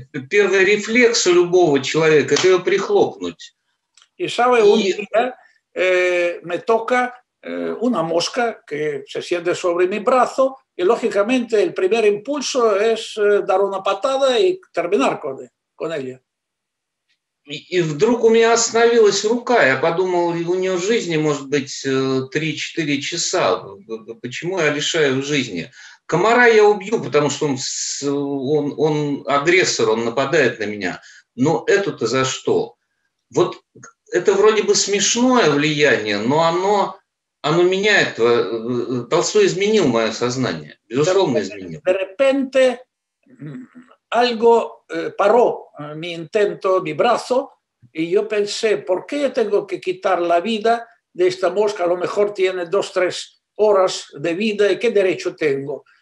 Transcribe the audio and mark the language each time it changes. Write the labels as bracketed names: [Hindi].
[Russian] Первый рефлекс у любого человека – это ее прихлопнуть. [Spanish] И sabe, un día me toca una mosca que se siente sobre mi brazo y, lógicamente, el primer impulso es dar una patada y terminar con ella. [Russian] И вдруг у меня остановилась рука, я подумал, у нее жизни может быть 3-4 часа, почему я лишаю ее жизни? Комара я убью, потому что он агрессор, он нападает на меня, но эту-то за что? Вот это вроде бы смешное влияние, но оно меняет, Толстой изменил мое сознание, безусловно изменил. [Spanish] De repente... Algo paró mi intento, mi brazo, y yo pensé, ¿por qué tengo que quitar la vida de esta mosca? A lo mejor tiene 2-3 horas de vida, ¿y qué derecho tengo?